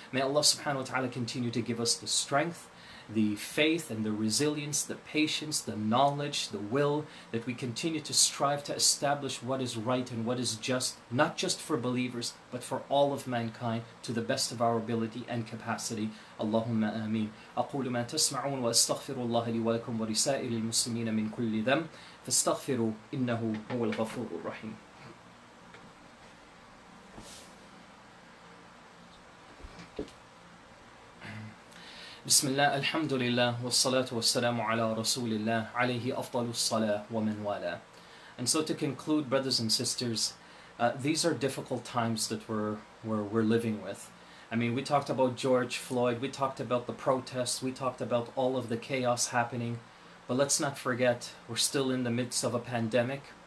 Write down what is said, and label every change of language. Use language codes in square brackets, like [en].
[en] May Allah subhanahu wa ta'ala continue to give us the strength, the faith and the resilience, the patience, the knowledge, the will, that we continue to strive to establish what is right and what is just, not just for believers, but for all of mankind, to the best of our ability and capacity. [ar] Allahumma ameen. أقول ما تسمعون وأستغفر الله لي ولكم ولسائر المسلمين من كل ذنب فاستغفروا إنه هو الغفور الرحيم. بسم الله الحمد لله والصلاة والسلام على رسول الله عليه أفضل الصلاة ومن والاه. [en] And so to conclude, brothers and sisters, these are difficult times that we're living with. I mean, we talked about George Floyd, we talked about the protests, we talked about all of the chaos happening, but let's not forget, we're still in the midst of a pandemic.